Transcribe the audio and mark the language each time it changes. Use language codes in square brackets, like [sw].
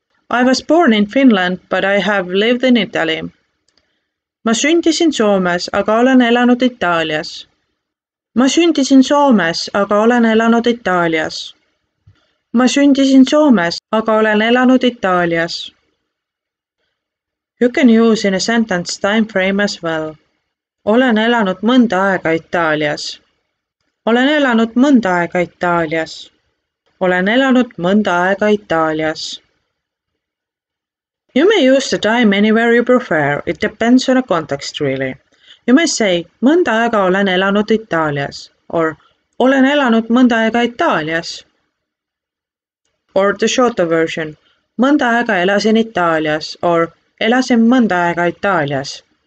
[en] I was born in Finland, but I have lived in Italy. [et] Ma sündisin Soomes, aga olen elanud Itaalias. Ma sündisin Soomes, aga olen elanud Itaalias. Ma sündisin Soomes, aga olen elanud Itaalias. [en] You can use in a sentence time frame as well. [et] Olen elanud mõnda aega Itaalias. Olen elanud mõnda aega Itaalias. Olen elanud mõnda aega Itaalias. [en] You may use the time anywhere you prefer. It depends on a context really. You may say, [et] mõnda aega olen elanud Itaalias. [en] Or, [et] olen elanud mõnda aega Itaalias. [en] Or the shorter version, [et] mõnda aega elasin Itaalias. [en] Or, [et] elasin mõnda aega Itaalias.